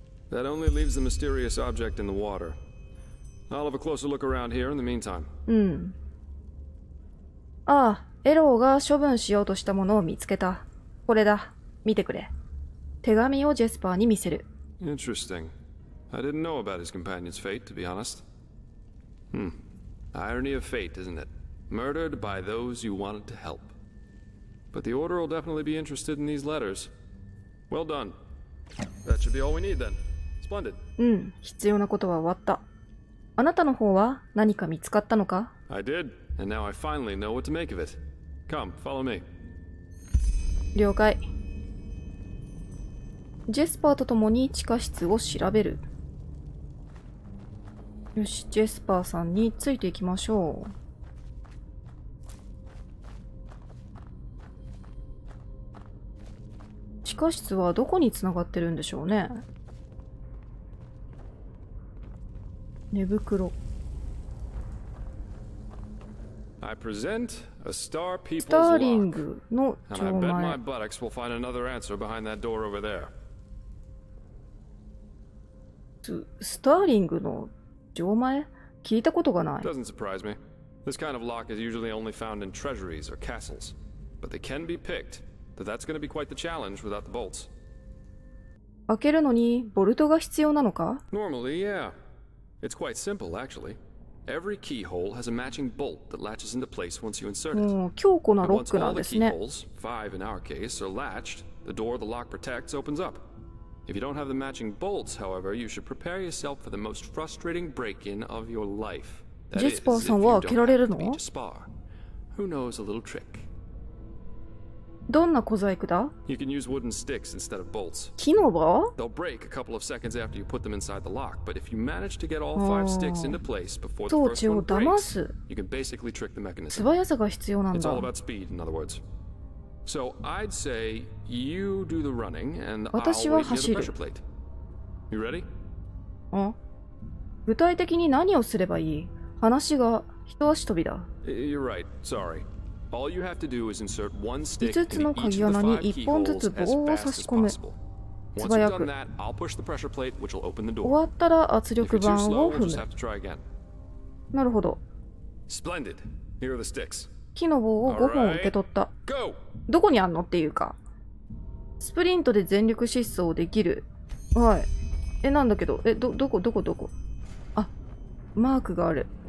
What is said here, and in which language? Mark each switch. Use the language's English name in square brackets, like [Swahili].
[English] That only leaves the mysterious object in the water. I'll have a closer look around here in the meantime. [Japanese] うん。ああ、エローが処分しようとしたものを見つけた。これだ。見てくれ。手紙をジェスパーに見せる。 [English] Interesting. I didn't know about his companion's fate, to be honest. Hmm. Irony of fate, isn't it? Murdered by those you wanted to help. But the Order will definitely be interested in these letters. Well done. That should be all we need then. Splendid. [Japanese] うん、必要なことは終わった。あなたの方は何か見つかったのか？ [English] I did, and now I finally know what to make of it. Come, follow me. [Japanese] 了解。ジェスパーと共に地下室を調べる。よし、ジェスパーさんについていきましょう。地下室はどこにつながってるんでしょうね。寝袋。 [English] I present a star people's lock. [Japanese] スターリングの城前。 [English] And I bet my buttocks will find another answer behind that door over there. [Japanese] スターリングの城前？聞いたことがない。 [English] Doesn't surprise me. This kind of lock is usually only found in treasuries or castles. But they can be picked. But that's going to be quite the challenge without the bolts. [Japanese] 開けるのにボルトが必要なのか？ [English] Normally, yeah. It's quite simple, actually. Every keyhole has a matching bolt that latches into place once you insert it. [Japanese] 強固なロックなんですね。 [English] Once all the keyholes, five in our case, are latched, the door the lock protects opens up. If you don't have the matching bolts, however, you should prepare yourself for the most frustrating break-in of your life. [Japanese] ジェスパーさんは開けられるの？ [English] Who knows a little trick? [Japanese] どんな小細工だ？ [English] You can use wooden sticks instead of bolts. [Japanese] 木の棒？ [English] They'll break a couple of seconds after you put them inside the lock, but if you manage to get all five sticks into place before the first one breaks, you can basically trick the mechanism. [Japanese] 素早さが必要なんだ。 [English] It's all about speed, in other words. So I'd say you do the running and I'll wait near the pressure plate. You ready? [Japanese] 具体的に何をすればいい？話が一足飛びだ。 [English] You're right. Sorry. All you have to do is insert one stick into each of the five keyholes as fast as possible. Once you've done that, I'll push the pressure plate, which will open the door. [Japanese] 終わったら圧力盤を踏む。 [English] If you're too slow, [Japanese] なるほど。 [English] Splendid. Here are the sticks. [Japanese] 木の棒を5本受け取った。 [English] Go! [Japanese] どこにあんのっていうか。スプリントで全力疾走できる。はい。え、なんだけど。え、どこ。あ、マークがある。